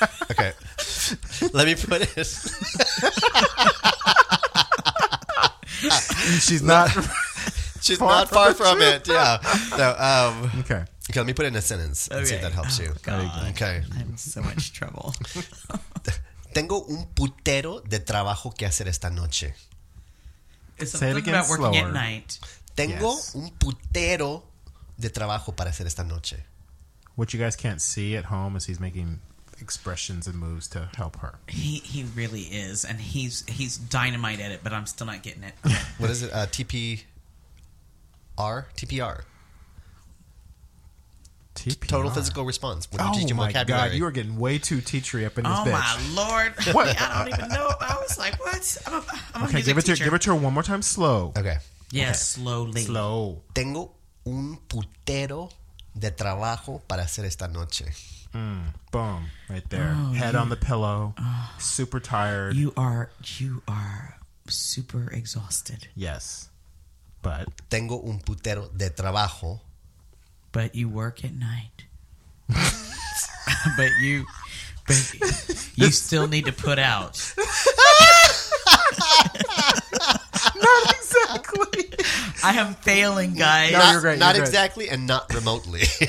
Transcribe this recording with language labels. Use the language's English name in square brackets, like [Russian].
[English] Okay. Let me put it. She's not far from it. Yeah. No. Okay. Okay. Let me put it in a sentence and see if that helps you. God. Okay. I'm in so much trouble. [Spanish] Tengo un putero de trabajo que hacer esta noche. [English] Is something about working slower at night. [Spanish] Tengo un putero de trabajo para hacer esta noche. [English] What you guys can't see at home is he's making expressions and moves to help her. He really is, and he's dynamite at it, but I'm still not getting it. What is it? TPR? TPR. TPR. Total physical response. When you teach your vocabulary. Oh my God, you are getting way too teachery up in this bitch. Oh my Lord. What? I don't even know. I was like, what? I'm a music teacher. Give it to her one more time slow. Okay. Yes, okay. Slowly. Slow. [Spanish] Tengo un putero de trabajo para hacer esta noche. [English] Boom. Right there. On the pillow. Super tired. You are super exhausted. Yes. But. [Spanish] Tengo un putero de trabajo. [English] But you work at night. But you still need to put out. Not exactly. I am failing, guys. No, you're great. Exactly and not remotely.